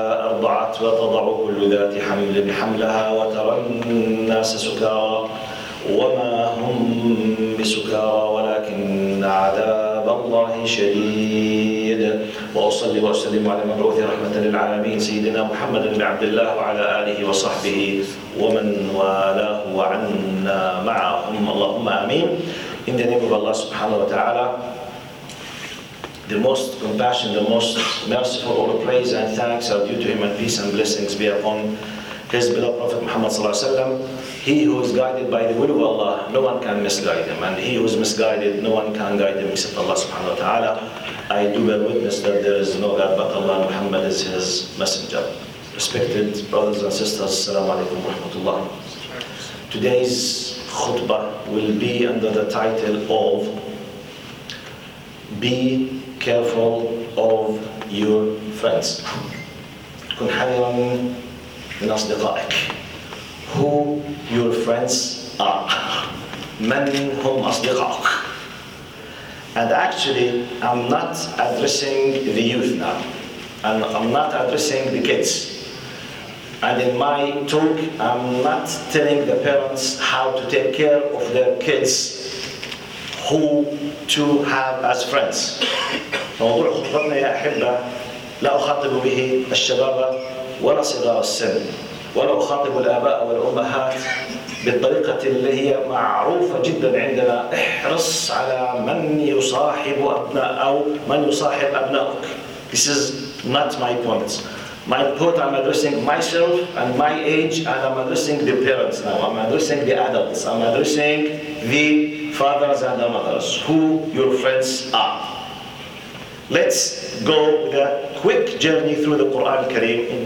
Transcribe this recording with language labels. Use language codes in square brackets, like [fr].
[ar] أرضعت وتضع كل ذات حمل بحملها وترى الناس سكارى وما هم بسكارى ولكن عذاب الله شديد وأصلي وأسلم على المبعوث رحمة للعالمين سيدنا محمد بن عبد الله وعلى آله وصحبه ومن والاه وعنا معهم اللهم آمين إن جنبه الله سبحانه وتعالى [en] The most compassionate, the most merciful, all the praise and thanks are due to him and peace and blessings be upon his beloved Prophet Muhammad sallallahu alaihi wasallam. He who is guided by the will of Allah, no one can misguide him. And he who is misguided, no one can guide him except Allah subhanahu wa ta'ala. I do bear witness that there is no God but Allah and Muhammad is his messenger. Respected brothers and sisters, assalamu alaikum wa rahmatullah. Today's khutbah will be under the title of Be careful of your friends. [ar] كن حذراً من أصدقائك. [en] Who your friends are. [ar] من هم أصدقائك. [en] And actually, I'm not addressing the youth now. And I'm not addressing the kids. And in my talk, I'm not telling the parents how to take care of their kids. Who to have as friends. [ar] موضوع خطبتنا يا أحبة لا أخاطب به الشباب ولا صغار السن ولا أخاطب الآباء والأمهات بالطريقة اللي هي معروفة جدا عندنا احرص على من يصاحب أبناء أو من يصاحب أبنائك. [en] This is not my point. My point, I'm addressing myself and my age and I'm addressing the parents now. I'm addressing the adults. I'm addressing the fathers and the mothers. Who your friends are. Let's go with a quick journey through the Quran Kareem.